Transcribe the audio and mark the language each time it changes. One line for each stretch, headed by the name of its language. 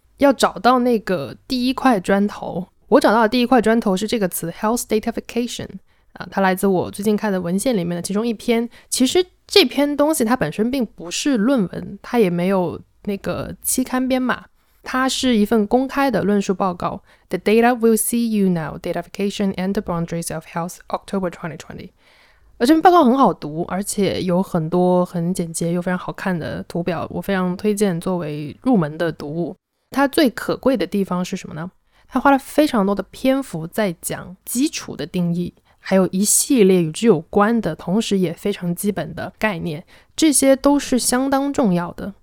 Chinese: 要找到那个第一块砖头，我找到的第一块砖头是这个词 Health Datafication，它来自我最近看的文献里面的其中一篇。其实这篇东西它本身并不是论文，它也没有那个期刊编码，它是一份公开的论述报告。
English: The data will see you now, Datafication and the boundaries of health, October 2020。
Chinese: 而这篇报告很好读，而且有很多很简洁又非常好看的图表，我非常推荐作为入门的读物。它最可贵的地方是什么呢？它花了非常多的篇幅在讲基础的定义，还有一系列与之有关的同时也非常基本的概念，这些都是相当重要的。